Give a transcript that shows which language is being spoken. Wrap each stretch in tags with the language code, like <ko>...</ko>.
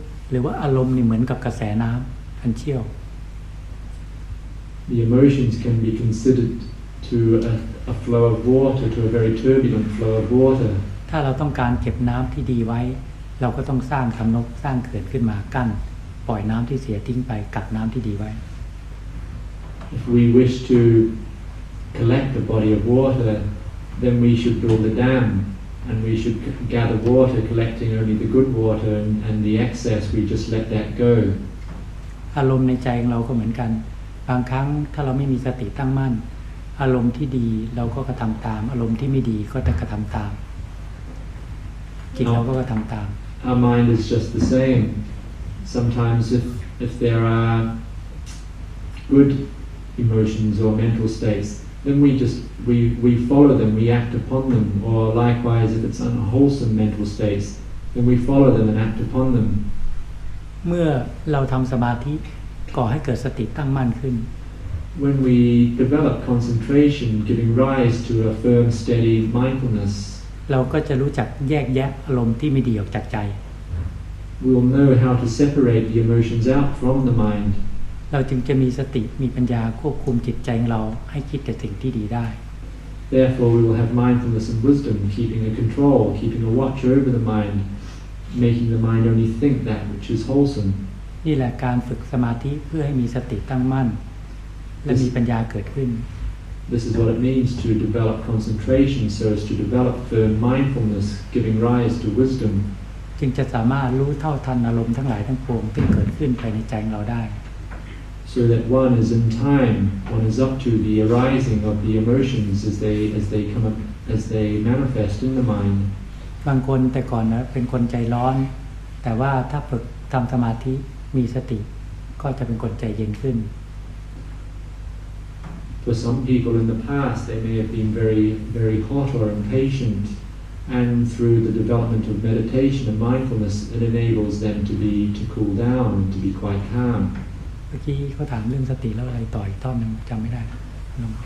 <th>หรือว่าอารมณ์นี่เหมือนกับกระแสน้ำพันเชี่ยว</th> <en>The emotions can be considered to a flow of water, to a very turbulent flow of water.</en> <th>ถ้าเราต้องการเก็บน้ำที่ดีไว้เราก็ต้องสร้างคำนกสร้างเขื่อนขึ้นมากั้นปล่อยน้ำที่เสียทิ้งไปกักน้ำที่ดีไว้</th> <en>If we wish toCollect a body of water, then we should build a dam, and we should gather water, collecting only the good water, and the excess we just let that go.</en> <th>อารมณ์ในใจของเราก็เหมือนกันบางครั้งถ้าเราไม่มีสติตั้งมั่นอารมณ์ที่ดีเราก็กระทำตามอารมณ์ที่ไม่ดีก็จะกระทำตามจิตเราก็กระทำตาม</th> <en>Our mind is just the same. Sometimes if there are good emotions or mental states. Then we follow them, we act upon them. Or likewise, if it's unwholesome mental states, then we follow them and act upon them.</en> <th>เมื่อเราทำสมาธิก่อให้เกิดสติตั้งมั่นขึ้น</th> <en>When we develop concentration, giving rise to a firm, steady mindfulness,</en> <th>เราก็จะรู้จักแยกแยะอารมณ์ที่ไม่ดีออกจากใจ</th> <en>We'll know how to separate the emotions out from the mind.</en> <th>เราจึงจะมีสติมีปัญญาควบคุมจิตใจของเราให้คิดแต่สิ่งที่ดีได้</th> <en>Therefore we will have mindfulness and wisdom keeping a control keeping a watch over the mind making the mind only think that which is wholesome</en> <th>นี่แหละการฝึกสมาธิเพื่อให้มีสติตั้งมั่นและมีปัญญาเกิดขึ้น</th> <en>This is what it means to develop concentration so as to develop firm mindfulness giving rise to wisdom</en> <th>จึงจะสามารถรู้เท่าทันอารมณ์ทั้งหลายทั้งปวงที่เกิดขึ้นภายในใจของเราได้</th> <en>So that one is in time, one is up to the arising of the emotions as they come up, as they manifest in the mind.</en> <th>บางคนแต่ก่อนนะเป็นคนใจร้อนแต่ว่าถ้าฝึกทำสมาธิมีสติก็จะเป็นคนใจเย็นขึ้น</th> <en>For some people in the past, they may have been very, very hot or impatient, and through the development of meditation and mindfulness, it enables them to cool down and to be quite calm.</en> <th>เมื่อกี้เขาถามเรื่องสติแล้วอะไรต่ออีกท่อนนึงจำไม่ได้ลอง</th>